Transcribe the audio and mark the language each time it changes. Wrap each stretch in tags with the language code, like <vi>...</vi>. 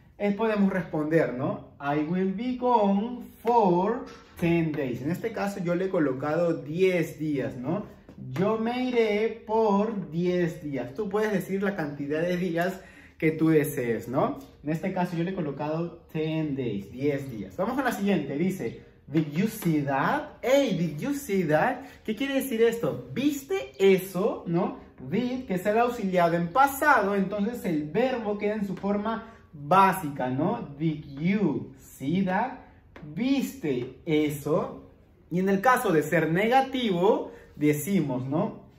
<es>Él podemos responder, ¿no?</es> <en>I will be gone for 10 days.</en> <es>En este caso yo le he colocado 10 días, ¿no? Yo me iré por 10 días. Tú puedes decir la cantidad de días que tú desees, ¿no? En este caso yo le he colocado</es> <en>10 days,</en> <es>10 días. Vamos a la siguiente, dice,</es> <en>did you see that? Hey, did you see that?</en> <es>¿Qué quiere decir esto? ¿Viste eso, no? Did, que es el auxiliado en pasado, entonces el verbo queda en su forma básica, ¿no?</es> <en>Did you see that?</en> <es>¿Viste eso? Y en el caso de ser negativo, decimos, ¿no?</es>